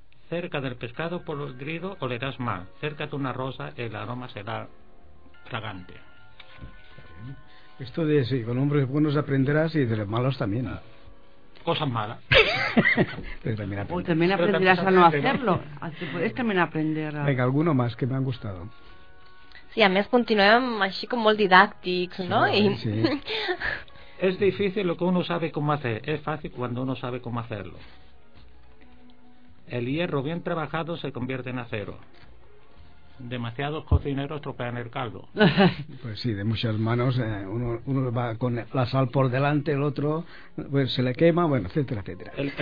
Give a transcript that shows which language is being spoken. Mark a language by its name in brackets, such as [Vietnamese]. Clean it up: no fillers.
[Spanish] Cerca del pescado podrido olerás mal. Cerca de una rosa el aroma será fragante. Esto de si con hombres buenos aprenderás y de los malos también. Cosas malas. Pero también aprenderás. O también aprenderás a no hacerlo. Así puedes también aprender a... Venga, alguno más que me han gustado. [Catalan] Sí, a més continuem així com molt didàctics, no? Sí, sí. [Spanish] Es difícil lo que uno sabe cómo hacer. Es fácil cuando uno sabe cómo hacerlo. El hierro bien trabajado se convierte en acero. Demasiados cocineros tropean el caldo. Pues sí, de muchas manos, uno va con la sal por delante, el otro pues se le quema, bueno, etcétera, etcétera.